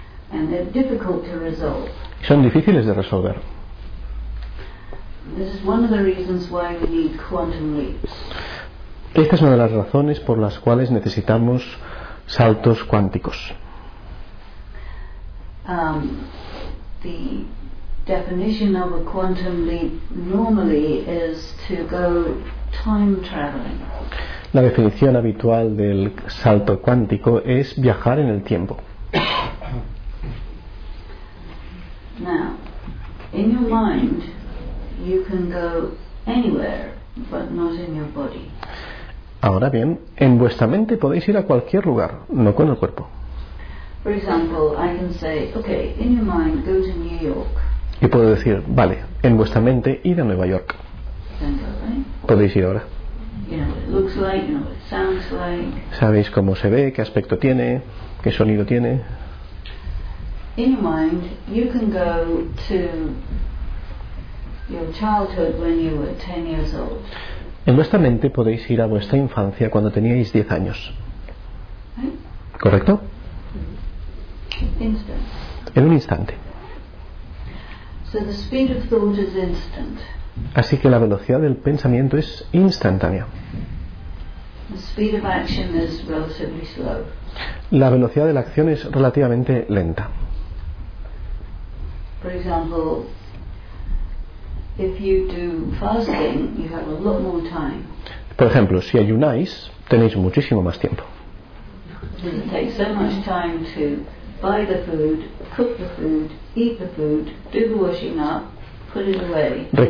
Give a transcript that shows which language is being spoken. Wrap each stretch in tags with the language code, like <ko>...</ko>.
<en>And they're difficult to resolve.</en> <es>Son difíciles de resolver.</es> <en>This is one of the reasons why we need quantum leaps.</en> <es>Esta es una de las razones por las cuales necesitamos saltos cuánticos.</es> <en>The definition of a quantum leap normally is to go time traveling.</en> <es>La definición habitual del salto cuántico es viajar en el tiempo.</es> <en>Now, in your mind, you can go anywhere, but not in your body.</en> <es>Ahora bien, en vuestra mente podéis ir a cualquier lugar, no con el cuerpo.</es> <en>For example, I can say, okay, in your mind, go to New York.</en> <es>Y puedo decir, vale, en vuestra mente, id a Nueva York. Podéis ir ahora.</es> <en>You know, it looks like, you know, it sounds like.</en> <es>Sabéis cómo se ve, qué aspecto tiene, qué sonido tiene.</es> <en>In your mind, you can go to your childhood when you were 10 years old.</en> <es>En vuestra mente podéis ir a vuestra infancia cuando teníais 10 años. ¿Correcto?</es> <en>Instant.</en> <es>En un instante.</es> <en>So the speed of thought is instant.</en> <es>Así que la velocidad del pensamiento es instantánea.</es> <en>The speed of action is relatively slow.</en> <es>La velocidad de la acción es relativamente lenta. Por ejemplo,</es> <en>if you do fasting, you have a lot more time.</en> <es>Por ejemplo, si ayunáis, tenéis muchísimo más tiempo.</es> <en>It takes so much time to buy the food, cook the food, eat the food, do the washing up, put it away.</en>